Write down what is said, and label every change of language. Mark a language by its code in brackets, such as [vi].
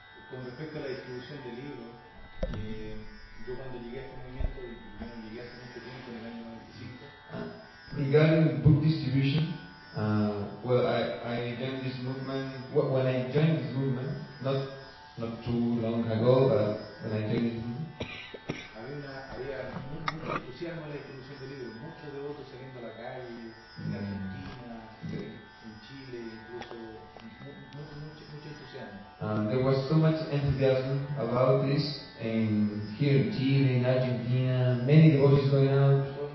[es] Con respecto a la distribución del libro, yo cuando llegué a este movimiento, bueno, llegué hace mucho tiempo, en el año 95. [en] Regarding book distribution, when I joined this movement, not too long ago, but when I joined this movement, [es] había mucho entusiasmo en la distribución del libro, muchos devotos saliendo a la calle, en Argentina, en Chile, incluso, mucho entusiasmo. [en] There was so much enthusiasm about this, and here in Chile, in Argentina, many devotees going out.